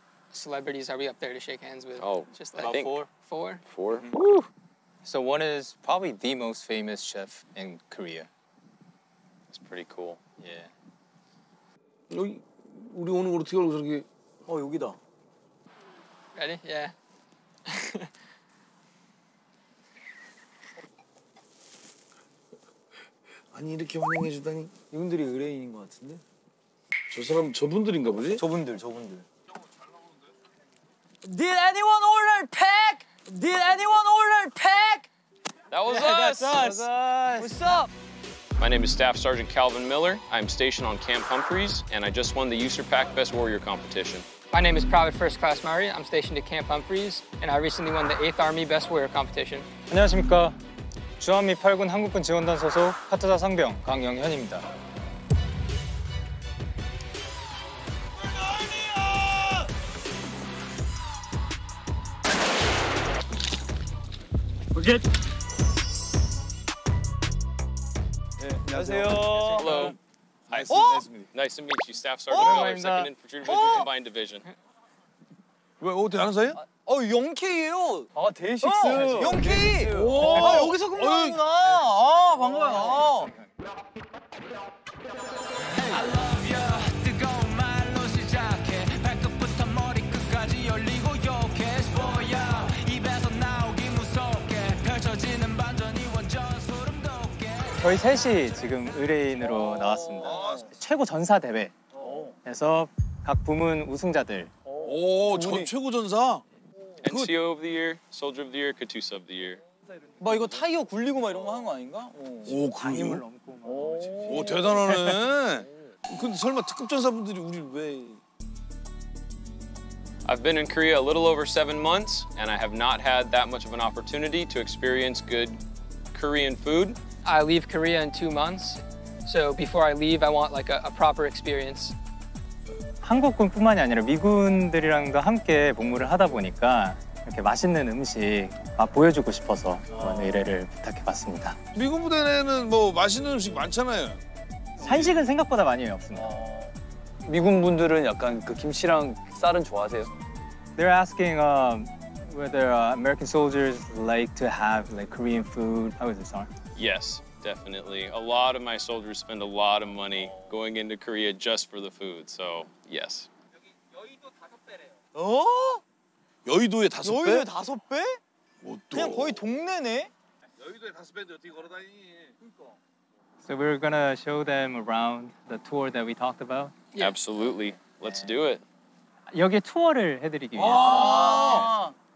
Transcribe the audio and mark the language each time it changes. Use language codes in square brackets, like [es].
[en] celebrities are we up there to shake hands with? Oh, just about four. Four. Woo! So one is probably the most famous chef in Korea. It's pretty cool. Yeah. [ko] 여기 우리 오는 걸 어떻게 알고 저렇게? 어 여기다. [en] Ready? Yeah. [ko] 아니 이렇게 환영해 주다니 이분들이 의뢰인인 것 같은데? 저 사람 저분들인가 보지? 저분들. [en] Did anyone order pack? Did anyone order pack? That was us. What's up? My name is Staff Sergeant Calvin Miller. I'm stationed on Camp Humphreys, and I just won the USERPAC Best Warrior competition. My name is Private First Class Murray. I'm stationed at Camp Humphreys, and I recently won the 8th Army Best Warrior competition. [ko] 안녕하십니까. 주한미 8군 한국군 지원단 소속 파트사 상병 강영현입니다. 안녕하세요. [en] Hello. Hi, nice to meet you, Staff Sergeant Miller, 2nd Infantry Division, Combined Division. [ko] 왜 어디 하는 사이야? 어 영케이예요. 아 데이식스. 영케이. 오 여기서 근무하는구나. 아 반가워요. 저희 셋이 지금 의뢰인으로 나왔습니다. 최고 전사 대회에서 각 부문 우승자들. 오, 전 최고 전사? [en] NCO of the year, Soldier of the year, Katusa of the year. [ko] 막 이거 타이어 굴리고 막 이런 거 한 거 아닌가? 오, 강임을 넘고. 오, 대단하네. 근데 설마 특급 전사분들이 우리 왜? [en] I've been in Korea a little over 7 months, and I have not had that much of an opportunity to experience good Korean food. I leave Korea in 2 months, so before I leave, I want like a proper experience. [ko] 한국군뿐만이 아니라 미군들이랑도 함께 복무를 하다 보니까 이렇게 맛있는 음식 맛 보여주고 싶어서 이런 의뢰를 부탁해봤습니다. 미군 부대 내에는 뭐 맛있는 음식 많잖아요. 한식은 생각보다 많이 없습니다. 미군 분들은 약간 그 김치랑 쌀은 좋아하세요? [en] They're asking whether American soldiers like to have like Korean food. How is it, sir? Yes, definitely. A lot of my soldiers spend a lot of money going into Korea just for the food. So, yes. [ko] 여기 여의도 5배래요. 어? 여의도에 5배? 여의도에 5배? 뭣도? 그냥 거의 동네네. 여의도에 5배인데 어떻게 걸어다니? 그러니까. [en] So, we're going to show them around the tour that we talked about. Yeah. Absolutely. Let's do it. [ko] 여기 투어를 해 드리기 위해서.